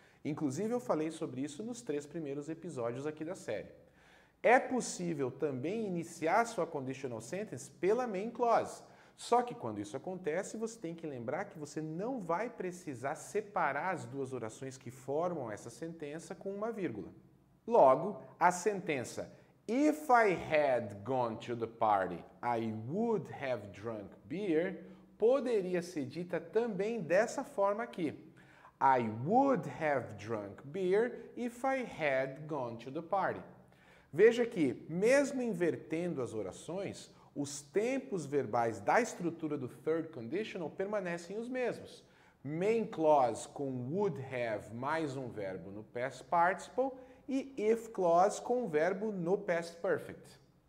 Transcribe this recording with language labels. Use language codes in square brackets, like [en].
[pt] Inclusive, eu falei sobre isso nos 3 primeiros episódios aqui da série. É possível também iniciar sua conditional sentence pela main clause. Só que quando isso acontece, você tem que lembrar que você não vai precisar separar as duas orações que formam essa sentença com uma vírgula. Logo, a sentença [en] "If I had gone to the party, I would have drunk beer" [pt] poderia ser dita também dessa forma aqui. [en] I would have drunk beer if I had gone to the party. [pt] Veja que, mesmo invertendo as orações, os tempos verbais da estrutura do third conditional permanecem os mesmos. Main clause com would have mais um verbo no past participle e if clause com um verbo no past perfect.